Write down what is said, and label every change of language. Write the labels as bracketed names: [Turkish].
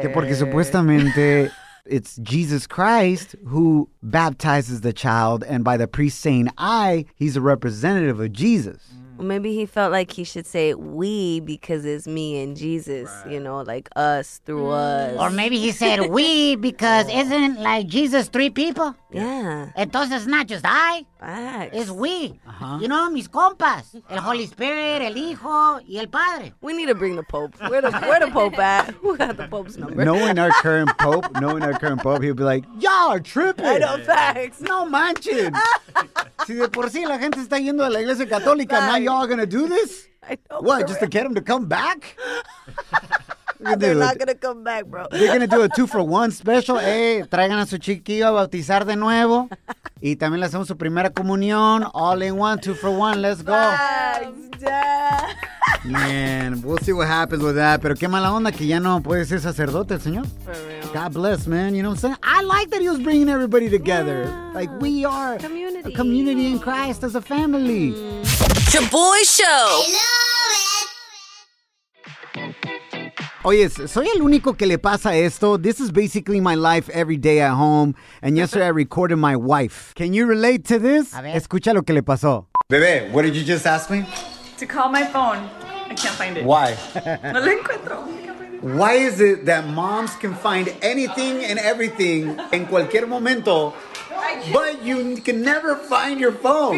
[Spanish] Que porque supuestamente [English] it's Jesus Christ who baptizes the child, and by the priest saying I, he's a representative of Jesus. Maybe he felt like he should say we because it's me and Jesus, you know, like us through us. Or maybe he said we because isn't like Jesus three people? Yeah. Entonces it's not just I. Facts. It's we. You know, [Spanish] mis compas. El Holy Spirit, el Hijo, y el Padre. [English] We need to bring the Pope. Where the Pope at? Who got the Pope's number? Knowing our current Pope, he'll be like, y'all are tripping. I know, facts. [Spanish] No manches. Si de por sí la gente está yendo a la iglesia católica, [English] now y'all gonna do this? I know. What, just to get them to come back? They're not gonna come back, bro. They're gonna do a 2-for-1 special. Hey, [Spanish] traigan a su chiquillo a bautizar de nuevo. Y también le hacemos su primera comunión. [English] All in one, 2-for-1. Let's go. Man, we'll see what happens with that. [Spanish] Pero qué mala onda que ya no puede ser sacerdote, señor. [English] For real. God bless, man. You know what I'm saying? I like that he was bringing everybody together. Yeah. Like, we are community. A community in Christ as a family. Shaboy Show. I love it. [Spanish] Oye, soy el único que le pasa esto. [English] This is basically my life every day at home. And yesterday I recorded my wife. Can you relate to this? [Spanish] A ver. Escucha lo que le pasó. [English] Bebé, what did you just ask me? To call my phone. I can't find it. Why? [Spanish] No lo encuentro. [English] Why is it that moms can find anything and everything [Spanish] en cualquier momento, [English] but you can never find your phone?